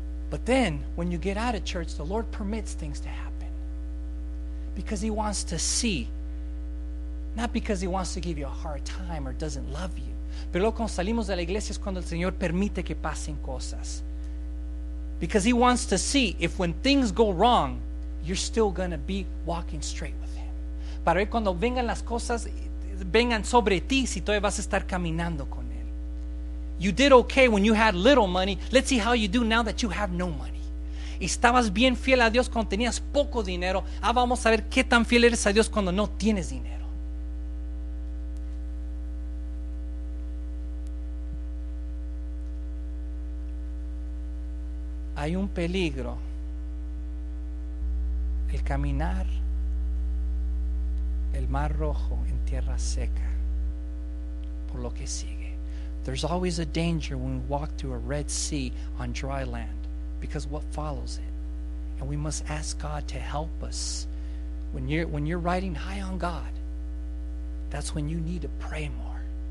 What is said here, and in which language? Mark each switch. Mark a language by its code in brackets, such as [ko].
[en] But then, when you get out of church, the Lord permits things to happen. Because He wants to see. Not because He wants to give you a hard time or doesn't love you. [es] Pero luego cuando salimos de la iglesia es cuando el Señor permite que pasen cosas. [en] Because He wants to see if when things go wrong, you're still going to be walking straight with Him. [es] Para ver cuando vengan las cosas vengan sobre ti si todavía vas a estar caminando con él. [en] You did okay when you had little money. Let's see how you do now that you have no money. [es] Estabas bien fiel a Dios cuando tenías poco dinero. Ah, vamos a ver qué tan fiel eres a Dios cuando no tienes dinero. Hay un peligro. El caminar el mar rojo en tierra seca por lo que sigue. [en] There's always a danger when we walk through a Red Sea on dry land because what follows it. And we must ask God to help us. When you're riding high on God, that's when you need to pray more.